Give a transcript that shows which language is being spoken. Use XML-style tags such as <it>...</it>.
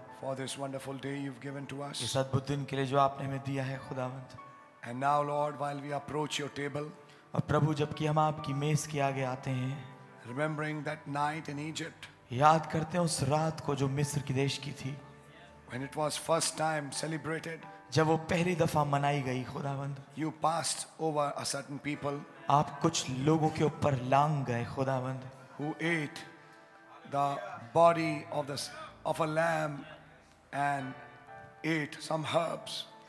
<en>For this wonderful day you've given to us.</en> <hi>इस अद्भुत दिन के लिए जो आपने हमें दिया है खुदावंत.</hi> <en>And now, Lord, while we approach your table.</en> <hi>और प्रभु जबकि हम आपकी मेज के आगे आते हैं.</hi> <en>Remembering that night in Egypt.</en> <hi>याद करते हैं उस रात को जो मिस्र की देश की थी.</hi> <en>When it was first time celebrated.</en> <hi>जब वो पहली दफा मनाई गई खुदावंद</hi> <en>you passed over a certain people</en> <hi>आप कुछ लोगों के ऊपर लांग गए खुदावंद</hi> <en>who ate the body of the of a lamb and ate some herbs</en>